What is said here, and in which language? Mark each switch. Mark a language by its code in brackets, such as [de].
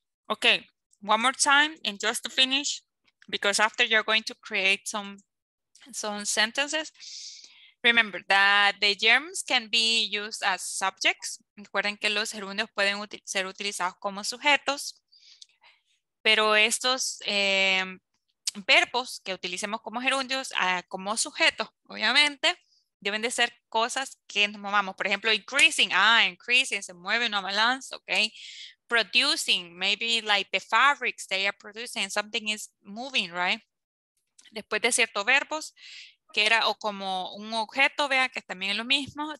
[en] Okay, one more time, and just to finish, because after you're going to create some sentences, remember that the gerunds can be used as subjects. [es] Recuerden que los gerundios pueden ser utilizados como sujetos. Pero estos verbos que utilicemos como gerundios, como sujeto, obviamente, deben de ser cosas que nos movamos. Por ejemplo, increasing. Ah, increasing, se mueve una balanza, ok. [en] Producing, maybe like the fabrics they are producing, something is moving, right? [es] Después de ciertos verbos, que era o como un objeto, vea que también es lo mismo.